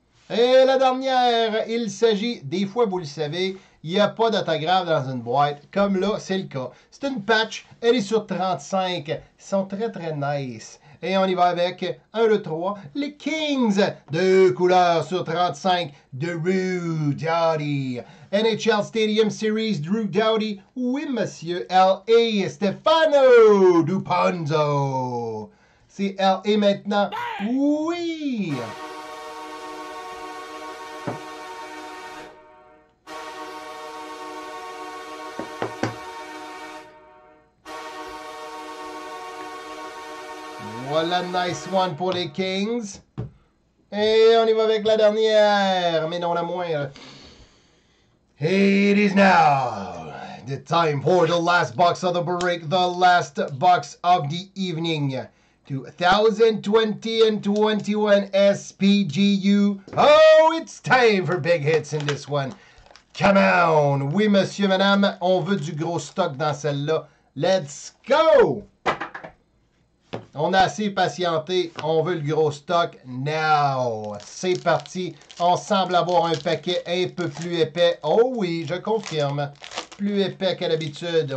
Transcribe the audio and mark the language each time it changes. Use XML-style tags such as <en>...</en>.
<fr>Et la dernière, il s'agit, des fois vous le savez, il n'y a pas d'autographe dans une boîte. Comme là, c'est le cas. C'est une patch, elle est sur 35. Ils sont très très nice. Et on y va avec 1, 2, 3, les Kings. Deux couleurs sur 35, Drew Doughty. NHL Stadium Series, Drew Doughty. Oui, monsieur, L.A. Stefano Duponzo. C'est L.A. maintenant. Oui! Voilà,</fr> <en>nice one</en> <fr>pour les Kings. Et on y va avec la dernière, mais non la moindre.</fr> <en>It is now the time for the last box of the break, the last box of the evening. 2020 and 21 SPGU. Oh, it's time for big hits in this one. Come on.</en> <fr>Oui, monsieur, madame, on veut du gros stock dans celle-là.</fr> <en>Let's go.</en> <fr>On a assez patienté, on veut le gros stock now. C'est parti, on semble avoir un paquet un peu plus épais. Oh oui, je confirme, plus épais qu'à l'habitude.</fr>